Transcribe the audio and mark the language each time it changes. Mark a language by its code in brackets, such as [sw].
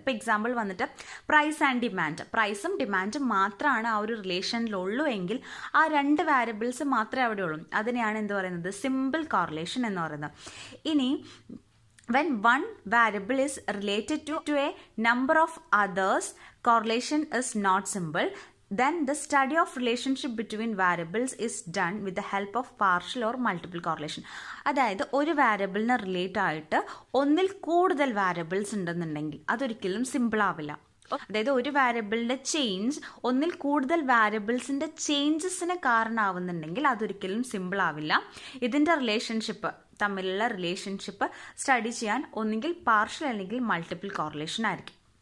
[ml] ഇപ്പൊ എക്സാമ്പിൾ വന്നിട്ട് price and demand, പ്രൈസും ഡിമാൻഡും മാത്രമാണ് ആ ഒരു റിലേഷനിലുള്ളൂ എങ്കിൽ ആ രണ്ട് വാരിയബിൾസ് മാത്രമേ അവിടെ ഉള്ളൂ. അതിനെയാണ് എന്ത് പറയുന്നത്, സിമ്പിൾ കോറിലേഷൻ എന്ന് പറയുന്നത്. ഇനി [en] When one variable is related to a number of others correlation is not simple. Then the study of relationship between variables is done with the help of partial or multiple correlation. [ml] അതായത് ഒരു വാരിയബിളിന് relate ആയിട്ട് ഒന്നിൽ കൂടുതൽ variables ഉണ്ടെന്നുണ്ടെങ്കിൽ അതൊരിക്കലും simple ആവില്ല. അതായത് ഒരു വാരിയബിളിന്റെ ചേഞ്ച് ഒന്നിൽ കൂടുതൽ വാരിയബിൾസിന്റെ ചേഞ്ചസിന് കാരണമാവുന്നുണ്ടെങ്കിൽ അതൊരിക്കലും സിമ്പിൾ ആവില്ല. ഇതിന്റെ റിലേഷൻഷിപ്പ് തമ്മിലുള്ള റിലേഷൻഷിപ്പ് സ്റ്റഡി ചെയ്യാൻ ഒന്നുകിൽ പാർഷ്യൽ അല്ലെങ്കിൽ മൾട്ടിപ്പിൾ കോറിലേഷൻ ആയിരിക്കും.